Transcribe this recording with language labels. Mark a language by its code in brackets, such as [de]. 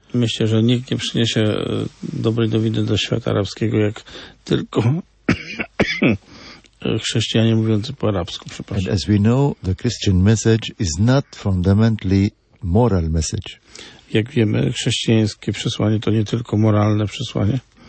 [pl] Myślę, że nikt nie przyniesie dobrej nowiny do świata arabskiego, jak tylko chrześcijanie mówiący po arabsku, przepraszam. [en] And as we know, the Christian message is not fundamentally moral message. [pl] Jak wiemy, chrześcijańskie przesłanie to nie tylko moralne przesłanie.